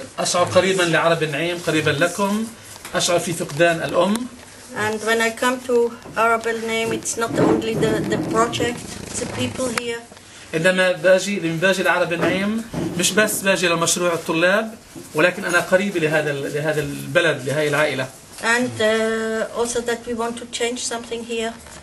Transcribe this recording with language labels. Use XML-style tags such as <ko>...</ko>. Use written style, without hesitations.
<ar>أشعر قريبا لعرب النعيم، قريبا لكم. أشعر في فقدان الأم.</ar> <en>And when I come to Arab Al-Naim, it's not only the project, it's the people here.</en> <ar>عندما باجي لعرب النعيم، مش بس باجي لمشروع الطلاب، ولكن أنا قريب لهذا البلد، لهذه العائلة.</ar> <en>And also that we want to change something here.</en>